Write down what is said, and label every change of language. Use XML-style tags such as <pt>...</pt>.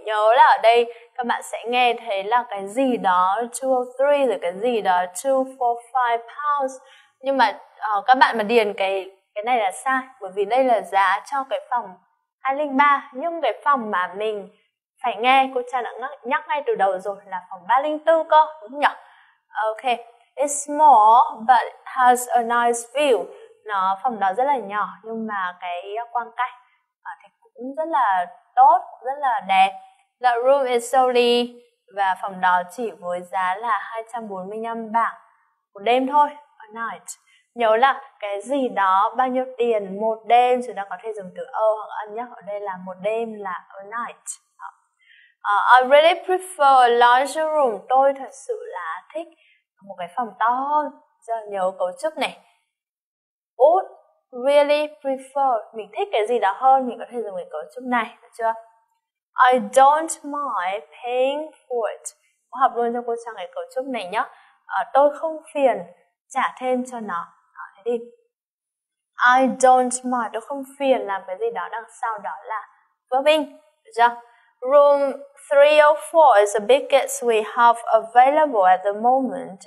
<vi>Nhớ là ở đây các bạn sẽ nghe thấy là cái gì đó 203 rồi cái gì đó 245 pounds. Nhưng mà các bạn mà điền cái này là sai, bởi vì đây là giá cho cái phòng 203. Nhưng cái phòng mà mình phải nghe cô cha đã nhắc ngay từ đầu rồi là phòng 304 cơ, đúng nhỉ?</vi> <en>Ok, it's small but has a nice view.</en> <vi>Nó phòng đó rất là nhỏ nhưng mà cái quang cảnh thì cũng rất là tốt, rất là đẹp.</vi> <en>The room is only,</en> <vi>và phòng đó chỉ với giá là 245 bảng một đêm thôi,</vi> <en>a night.</en> <vi>Nhớ là cái gì đó bao nhiêu tiền một đêm, chúng ta có thể dùng từ a hoặc an nhé. Ở đây là một đêm là a night.</vi> <en>I really prefer a larger room.</en> <vi>Tôi thật sự là thích một cái phòng to hơn. Giờ nhớ cấu trúc này.</vi> <en>Would really prefer.</en> <vi>Mình thích cái gì đó hơn, mình có thể dùng cái cấu trúc này, được chưa?</vi> <en>I don't mind paying for it.</en> <vi>Cô học luôn cho cô sang cái cấu trúc này nhé. Tôi không phiền trả thêm cho nó. Thế đi.</vi> <en>I don't mind.</en> <vi>Tôi không phiền làm cái gì đó đằng sau đó là verb in, được chưa?</vi> <en>Room 304 is the biggest we have available at the moment.</en>